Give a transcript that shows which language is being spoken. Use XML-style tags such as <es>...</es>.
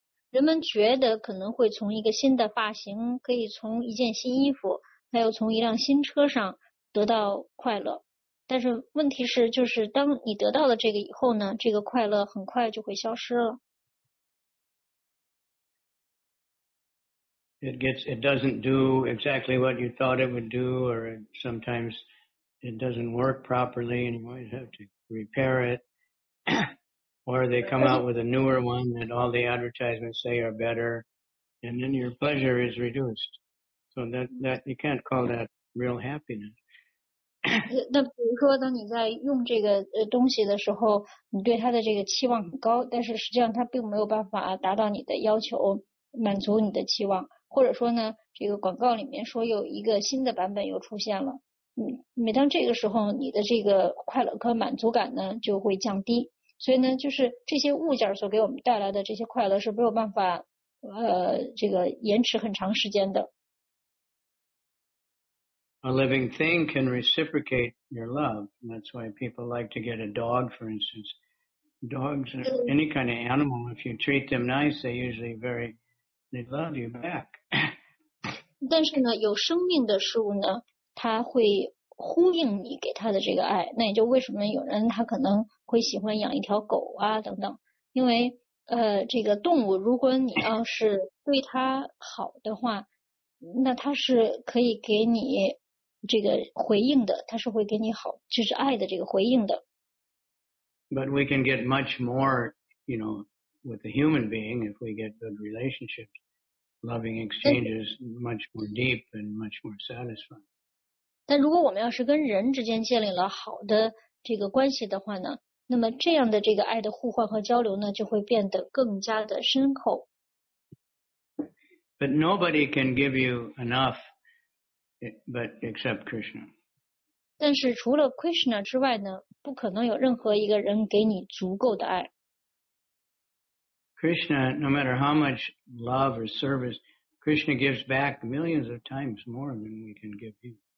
<zh>人们觉得可能会从一个新的发型，可以从一件新衣服，还有从一辆新车上得到快乐。但是问题是，就是当你得到了这个以后呢，这个快乐很快就会消失了。</zh> <en>It doesn't do exactly what you thought it would do, or sometimes it doesn't work properly, and you might have to repair it. Or they come out with a newer one that all the advertisements say are better, and then your pleasure is reduced. So that you can't call that real happiness.</en> <zh>那比如说，当你在用这个东西的时候，你对它的这个期望很高，但是实际上它并没有办法达到你的要求，满足你的期望。或者说呢，这个广告里面说有一个新的版本又出现了，每当这个时候，你的这个快乐和满足感呢就会降低。所以呢，就是这些物件所给我们带来的这些快乐是没有办法这个延迟很长时间的。</zh> <en>A living thing can reciprocate your love. That's why people like to get a dog, for instance. Dogs are any kind of animal. If you treat them nice, they usually they love you back.</en> <zh>但是呢，有生命的事物呢，它会呼应你给它的这个爱。那也就为什么有人他可能会喜欢养一条狗啊等等，因为这个动物，如果你要是对它好的话，那它是可以给你这个回应的，它是会给你好，就是爱的这个回应的。</zh> <en>But we can get much more, you know, with a human being if we get good relationships. Loving exchanges much more deep and much more satisfying.</en> <zh>但如果我们要是跟人之间建立了好的这个关系的话呢，那么这样的这个爱的互换和交流呢，就会变得更加的深厚。</zh> <en>But nobody can give you enough, but except Krishna.</en> <zh>但是除了 Krishna 之外呢，不可能有任何一个人给你足够的爱。</zh> <en>Krishna, no matter how much love or service, Krishna gives back millions of times more than we can give you.</en>